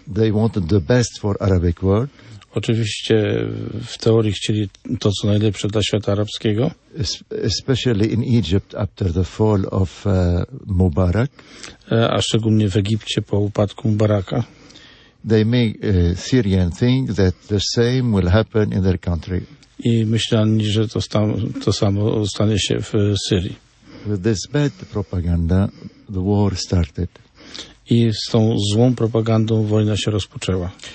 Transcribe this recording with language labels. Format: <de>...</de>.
<en>They wanted the best for Arabic world.</en> <pl>Oczywiście w teorii chcieli to, co najlepsze dla świata arabskiego.</pl> <en>Especially in Egypt after the fall of Mubarak.</en> <pl>A szczególnie w Egipcie po upadku Mubaraka.</pl> <en>They make Syrian think that the same will happen in their country.</en> <pl>I myśleli, że to samo stanie się w Syrii.</pl> <en>With this bad propaganda, the war started.</en> <pl>I z tą złą propagandą wojna się rozpoczęła.</pl>